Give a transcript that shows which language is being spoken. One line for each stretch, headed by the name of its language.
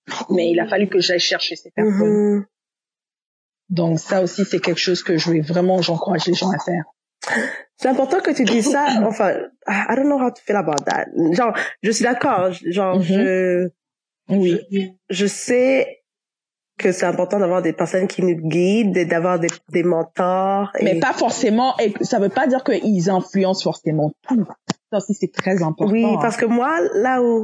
French: Mais il a fallu que j'aille chercher ces personnes. Mmh. Donc ça aussi, c'est quelque chose que j'encourage les gens à faire. C'est important que tu dises ça.
English: Enfin, I don't know how to feel about that.
French: Genre, je suis d'accord. Genre, mm-hmm, je sais que c'est important d'avoir des personnes qui nous guident, d'avoir des mentors. Mais pas forcément. Et ça veut pas dire qu'ils influencent forcément tout. Ça aussi, c'est très important. Oui, parce que moi, là où...